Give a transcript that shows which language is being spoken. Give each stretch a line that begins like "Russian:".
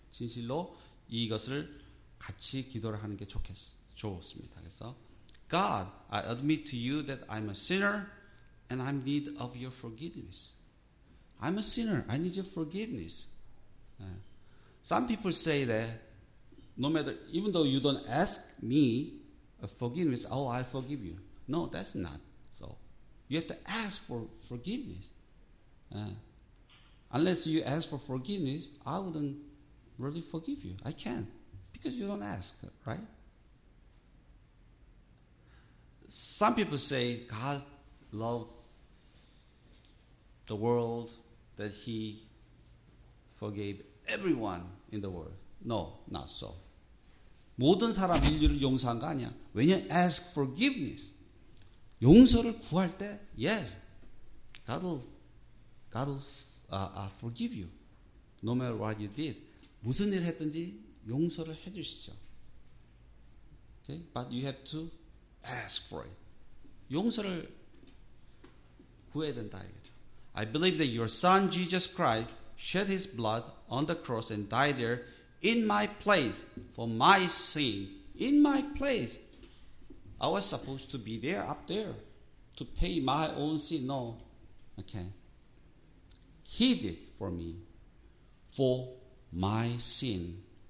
Korean: 진실로 이것을 같이 기도를 하는 게 좋습니다. 그래서
English: God, I admit to you that I'm a sinner and I'm in need of your forgiveness. I'm a sinner. I need your forgiveness. Some people say that no matter, even though you don't ask me a forgiveness, oh, I'll forgive you. No, that's not so. You have to ask for forgiveness. Unless you ask for forgiveness, I wouldn't really forgive you. I can't because you don't ask, right? Some people say God loved the world that He forgave everyone in the world. No, not so.
Korean: 모든 사람 인류를 용서한 거 아니야.
English: When you ask forgiveness,
Korean: 용서를 구할 때,
English: yes, God will forgive you, no matter what you did.
Korean: 무슨 일을 했든지 용서를 해주시죠.
English: Okay, but you have to ask for it.
Korean: 용서를 구해야 된다 이거죠.
English: I believe that your son Jesus Christ shed his blood on the cross and died there in my place for my sin. In my place. I was supposed to be there up there to pay my own sin. No. Okay. He did for me for my sin.